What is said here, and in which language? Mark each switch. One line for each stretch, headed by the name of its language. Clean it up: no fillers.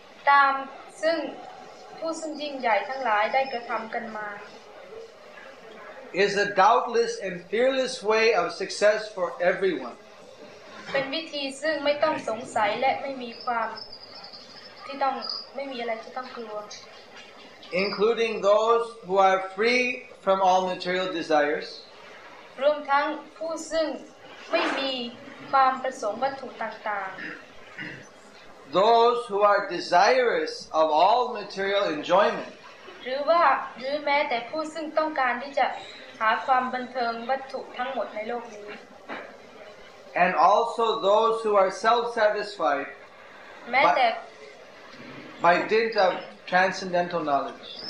Thai: ตามซึ่งผู้ซึ่งยิ่งใหญ่ทั้งหลายได้กระทำกันมา
English: is a doubtless and fearless way of success for everyone
Thai: เป็นวิธีซึ่งไม่ต้องสงสัยและไม่มีความที่ต้องไม่มีอะไรที่ต้องกลัว
English: including those who are free from all material desires
Thai: รวมทั้งผู้ซึ่งไม่มีความประสงค์วัตถุต่าง
English: ๆ those who are desirous of all material enjoyment
Thai: หรือแม้แต่ผู้ซึ่งต้องการที่จะหาความบันเทิงวัตถุทั้งหมดในโลกนี้
English: and also those who are self-satisfied
Thai: แม้แต่
English: By dint of transcendental knowledge.